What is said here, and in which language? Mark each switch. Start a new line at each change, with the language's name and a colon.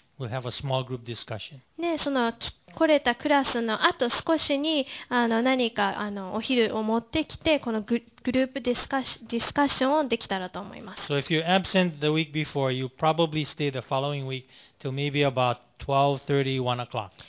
English: We'll have a small group discussion.
Japanese: ね、その来れたクラスのあと少しに何かお昼を持ってきてこのグループディスカッションをできたらと思います。
English: So if you're absent the week before, you probably stay the following week till maybe about 12:30, 1 o'clock.